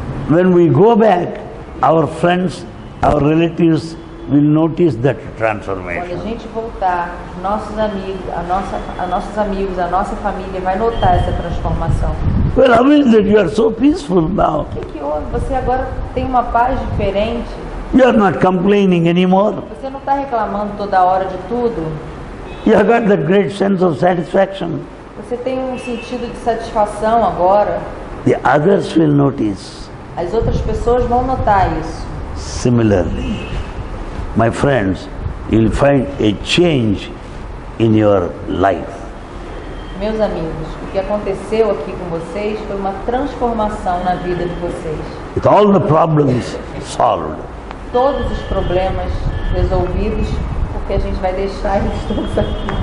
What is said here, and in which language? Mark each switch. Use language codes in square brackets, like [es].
[en] When we go back, our friends, our relatives will notice that transformation. [pt] Quando a gente voltar, nossos amigos, nossos amigos, a nossa família vai notar essa transformação. [en] Well, I mean that you are so peaceful now. [pt] Que houve? Você agora tem uma paz diferente. [en] You are not complaining anymore. [pt] Você não está reclamando toda hora de tudo. [en] You have got that great sense of satisfaction. [pt] Você tem sentido de satisfação agora. [en] The others will notice. [pt] As outras pessoas vão notar isso. [en] Similarly, my friends, you'll find a change in your life. [pt] Meus amigos, o que aconteceu aqui com vocês foi uma transformação na vida de vocês. [en] With all the problems solved. [pt] Todos os problemas resolvidos, porque a gente vai deixar eles todos aqui.